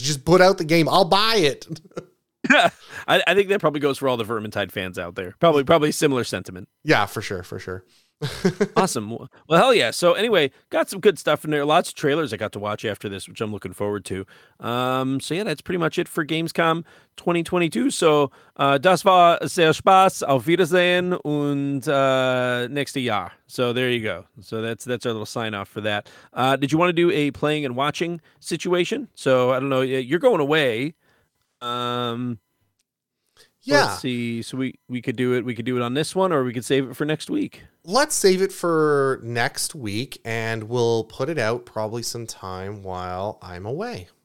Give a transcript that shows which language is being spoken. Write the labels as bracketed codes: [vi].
[en] Just put out the game. I'll buy it. I think that probably goes for all the Vermintide fans out there. Probably similar sentiment. Yeah, for sure, for sure. Awesome. Well, hell yeah. So anyway, got some good stuff in there. Lots of trailers I got to watch after this, which I'm looking forward to. That's pretty much it for Gamescom 2022. [de] So das war sehr Spaß, auf Wiedersehen und nächste Jahr. [en] So there you go. So that's our little sign off for that. Did you want to do a playing and watching situation? So I don't know. You're going away. Yeah. Let's see. So we could do it. We could do it on this one, or we could save it for next week. Let's save it for next week, and we'll put it out probably sometime while I'm away.